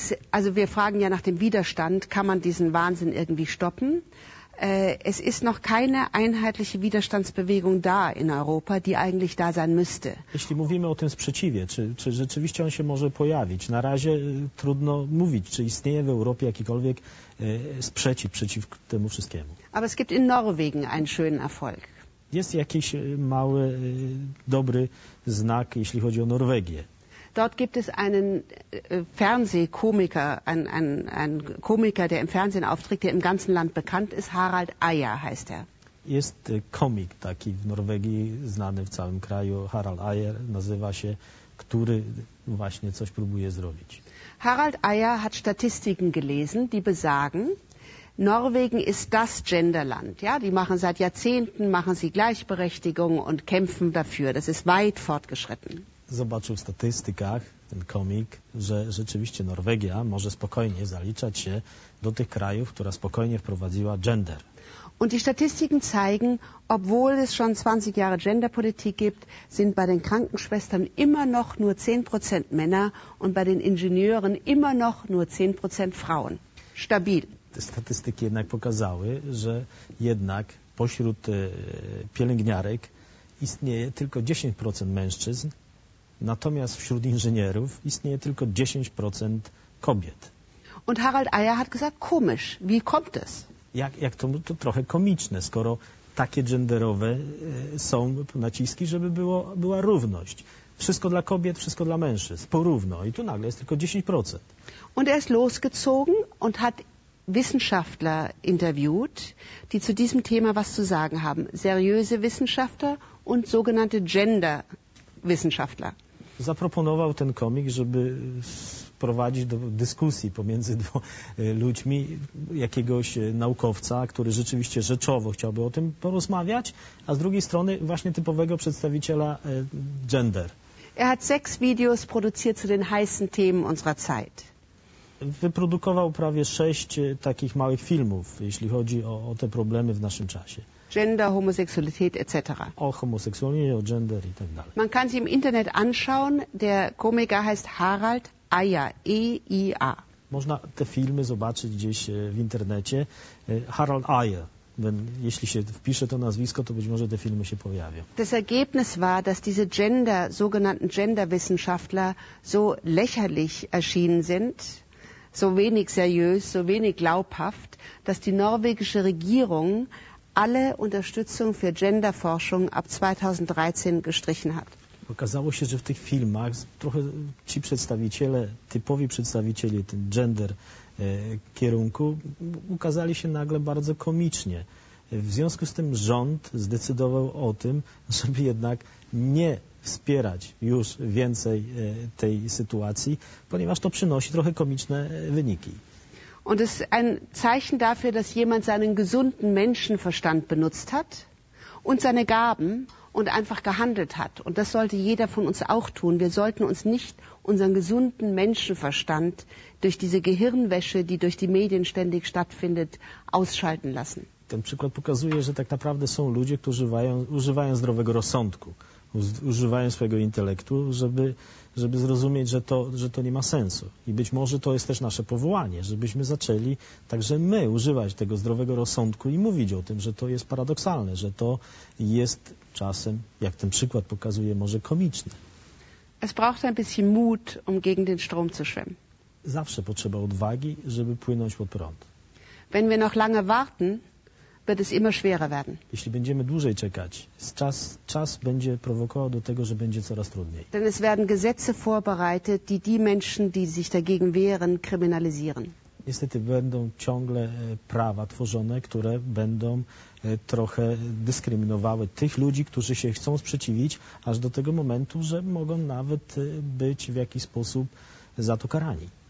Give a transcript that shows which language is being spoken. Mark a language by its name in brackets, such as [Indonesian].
[German] Also wir fragen ja nach dem Widerstand, kann man diesen Wahnsinn irgendwie stoppen? Es ist noch keine einheitliche Widerstandsbewegung da in Europa, die eigentlich da sein müsste. [Polish] Jeśli mówimy o tym sprzeciwie, czy rzeczywiście on się może pojawić? Na razie trudno mówić, czy istnieje w Europie jakikolwiek sprzeciw przeciw temu wszystkiemu. [German] Aber es gibt in Norwegen einen schönen Erfolg. [Polish] Jest jakiś mały, dobry znak, jeśli chodzi o Norwegię. [German] Dort gibt es einen Fernsehkomiker, einen Komiker, der im Fernsehen auftritt, der im ganzen Land bekannt ist. Harald Eier heißt er. [Polish] Jest komik taki w Norwegii, znany w całym kraju. Harald Eier nazywa się, który właśnie coś próbuje zrobić. [German] Harald Eier hat Statistiken gelesen, die besagen, Norwegen ist das Genderland. Ja, die machen seit Jahrzehnten, machen sie Gleichberechtigung und kämpfen dafür. Das ist weit fortgeschritten. [Polish] Zobaczył w statystykach ten komik, że rzeczywiście Norwegia może spokojnie zaliczać się do tych krajów, która spokojnie wprowadziła gender. [German] Und die Statistiken zeigen, obwohl es schon 20 Jahre Genderpolitik gibt, sind bei den Krankenschwestern immer noch nur 10% Männer und bei den Ingenieuren immer noch nur 10% Frauen. Stabil. [Polish] Te statystyki jednak pokazały, że jednak pośród pielęgniarek istnieje tylko 10% mężczyzn. Natomiast wśród inżynierów istnieje tylko 10% kobiet. [German] Und Harald Eier hat gesagt, komisch, wie kommt es? [Polish] Jak to, to trochę komiczne, skoro takie genderowe są naciski, żeby była równość. Wszystko dla kobiet, wszystko dla mężczyzn, porówno. I tu nagle jest tylko 10%. [German] Und er ist losgezogen und hat Wissenschaftler interviewt, die zu diesem Thema was zu sagen haben. Seriöse Wissenschaftler und sogenannte Gender Wissenschaftler. [Polish] Zaproponował ten komik, żeby sprowadzić do dyskusji pomiędzy ludźmi jakiegoś naukowca, który rzeczywiście rzeczowo chciałby o tym porozmawiać, a z drugiej strony właśnie typowego przedstawiciela gender. [German] Er hat 6 Videos produziert zu den heißen Themen unserer Zeit. [Polish] Wyprodukował prawie 6 takich małych filmów, jeśli chodzi o te problemy w naszym czasie. [German] Gender, Homosexualität etc. Auch Homosexualität, auch Gender und so weiter. Man kann sie im Internet anschauen. Der Komiker heißt Harald Eier, E-I-A. [Polish] Można te filmy zobaczyć gdzieś w internecie. Harald Eier. Jeśli się wpisze to nazwisko, to być może te filmy się pojawią. [German] Das Ergebnis war, dass diese Gender, sogenannten Genderwissenschaftler, so lächerlich erschienen sind. So wenig seriös, so wenig glaubhaft, dass die norwegische Regierung alle Unterstützung für Genderforschung ab 2013 gestrichen hat. [Polish] Okazało się, że w tych filmach trochę ci przedstawiciele, typowi przedstawiciele ten gender kierunku ukazali się nagle bardzo komicznie. W związku z tym rząd zdecydował o tym, żeby jednak nie wspierać już więcej tej sytuacji, ponieważ to przynosi trochę komiczne wyniki. [German] Und es ist ein Zeichen dafür, dass jemand seinen gesunden Menschenverstand benutzt hat und seine Gaben und einfach gehandelt hat. Und das sollte jeder von uns auch tun. Wir sollten uns nicht unseren gesunden Menschenverstand durch diese Gehirnwäsche, die durch die Medien ständig stattfindet, ausschalten lassen. [Polish] Ten przykład pokazuje, że tak naprawdę są ludzie, którzy używają zdrowego rozsądku, używają swojego intelektu, żeby zrozumieć, że to nie ma sensu. I być może to jest też nasze powołanie, żebyśmy zaczęli także my używać tego zdrowego rozsądku i mówić o tym, że to jest paradoksalne, że to jest czasem, jak ten przykład pokazuje, może komiczne. [German] Es braucht ein bisschen Mut, gegen den Strom zu schwimmen. [Polish] Zawsze potrzeba odwagi, żeby płynąć pod prąd. [German] Wenn wir noch lange warten, wird es immer schwerer werden. [Polish] Jeśli będziemy dłużej czekać, czas będzie prowokował do tego, że będzie coraz trudniej. [German] Denn es werden Gesetze vorbereitet, die Menschen, die sich dagegen wehren, kryminalisieren. [Polish] Niestety będą ciągle prawa tworzone, które będą trochę dyskryminowały tych ludzi, którzy się chcą sprzeciwić, aż do tego momentu, że mogą nawet być w jakiś sposób za to karani.